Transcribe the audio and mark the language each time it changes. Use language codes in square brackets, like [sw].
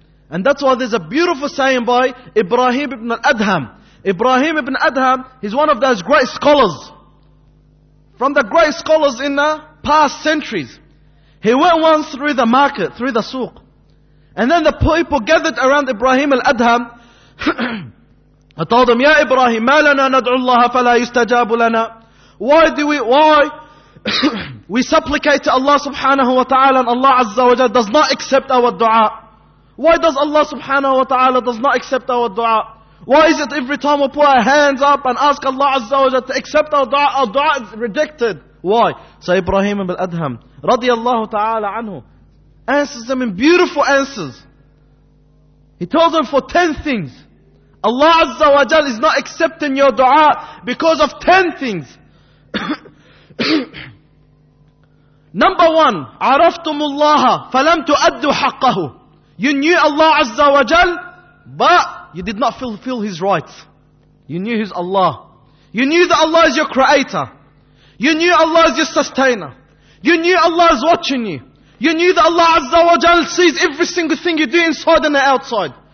[en] And that's why there's a beautiful saying by Ibrahim ibn al-Adham. Ibrahim ibn al-Adham, he's one of those great scholars. From the great scholars in the past centuries. He went once through the market, through the souq. And then the people gathered around Ibrahim al-Adham. I told him, [ar] Ya Ibrahim, ما لنا ندعو الله فلا يستجاب لنا. [en] Why we supplicate to Allah subhanahu wa ta'ala and Allah azza wa jal does not accept our dua? Why does Allah subhanahu wa ta'ala does not accept our dua? Why is it every time we put our hands up and ask Allah azza wa jal to accept our dua is rejected? Why? So Ibrahim ibn al-Adham, radiallahu ta'ala anhu, answers them in beautiful answers. He tells them for 10 things. Allah Azza wa Jal is not accepting your dua because of 10 things. Number 1, [ar] عَرَفْتُمُ اللَّهَ فَلَمْ تُؤَدُّ حَقَّهُ. [en] You knew Allah Azza wa Jal, but you did not fulfill His rights. You knew His Allah. You knew that Allah is your creator. You knew Allah is your sustainer. You knew Allah is watching you. You knew that Allah Azza wa Jal sees every single thing you do inside and outside.